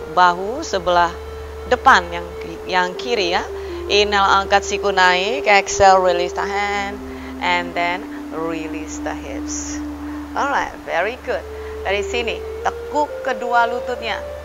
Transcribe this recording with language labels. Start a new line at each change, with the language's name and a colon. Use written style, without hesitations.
Indonesian: Bahu sebelah depan yang kiri ya. Inhale, angkat siku naik.
English: Exhale, release the hand. And then release the hips. Alright, very good.
Indonesian: Dari sini, tekuk kedua lututnya.